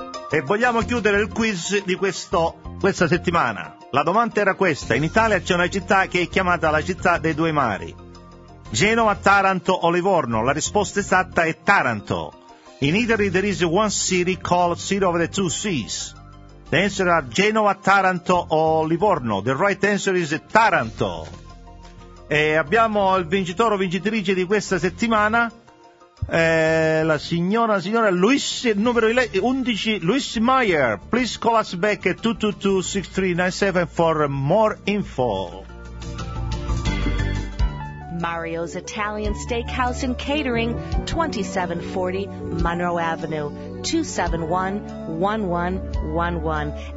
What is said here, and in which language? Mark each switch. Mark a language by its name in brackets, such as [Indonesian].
[Italian] E vogliamo chiudere il quiz di questa settimana. La domanda era questa: in Italia c'è una città che è chiamata la città dei due mari, Genova, Taranto o Livorno? La risposta esatta è Taranto. [English] In Italy there is one city called City of the Two Seas. The answer are Genova, Taranto o Livorno. The right answer is Taranto. [Italian] E abbiamo il vincitore o vincitrice di questa settimana, la signora Luis, numero 11, Luis Meyer. [English] Please call us back at 222-6397 for more info. Mario's Italian Steakhouse and Catering, 2740 Monroe Avenue, 271-1111.